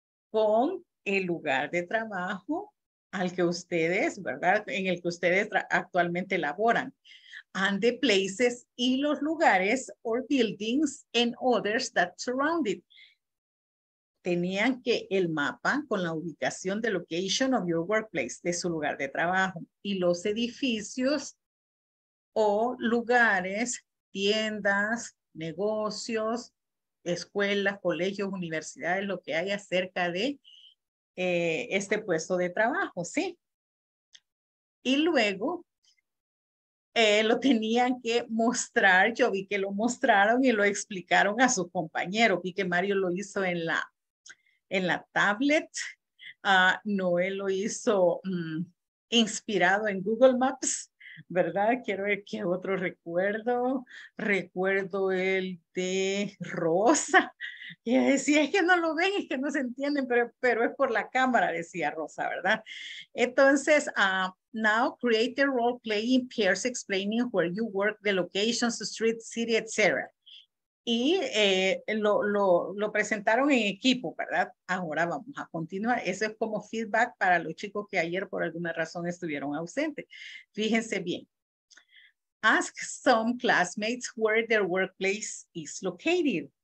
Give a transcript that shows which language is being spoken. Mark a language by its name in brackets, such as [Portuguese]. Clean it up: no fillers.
[Spanish] Con el lugar de trabajo al que ustedes, ¿verdad? En el que ustedes actualmente laboran. [English] And the places [Spanish] y los lugares [English] or buildings and others that surround it. [Spanish] Tenían que el mapa con la ubicación, [English] the location of your workplace, [Spanish] de su lugar de trabajo, y los edificios o lugares, tiendas, negocios, escuelas, colegios, universidades, lo que haya cerca de este puesto de trabajo, ¿sí? Y luego lo tenían que mostrar, yo vi que lo mostraron y lo explicaron a su compañero, vi que Mario lo hizo en la tablet, Noé lo hizo inspirado en Google Maps, ¿verdad? Quiero ver qué otro recuerdo. Recuerdo el de Rosa. Y decía, es que no lo ven, es que no se entienden, pero es por la cámara, decía Rosa, ¿verdad? [English] Entonces, now create a role playing pairs explaining where you work, the locations, the street, city, etc. [Spanish] Y lo presentaron en equipo, ¿verdad? Ahora vamos a continuar. Eso es como feedback para los chicos que ayer por alguna razón estuvieron ausentes. Fíjense bien. [English] Ask some classmates where their workplace is located.